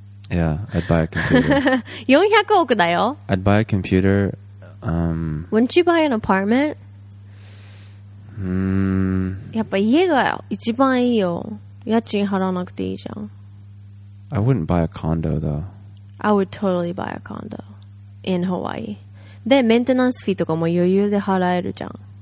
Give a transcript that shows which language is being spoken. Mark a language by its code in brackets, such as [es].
[en] yeah, I'd buy a computer. [ja] 400億だよ? [en] I'd buy a computer. Wouldn't you buy an apartment? [ja] やっぱ家が一番いいよ。家賃払わなくていいじゃん。 [en] I wouldn't buy a condo though. I would totally buy a condo in Hawaii. [ja] で、メンテナンス費とかも余裕で払えるじゃん。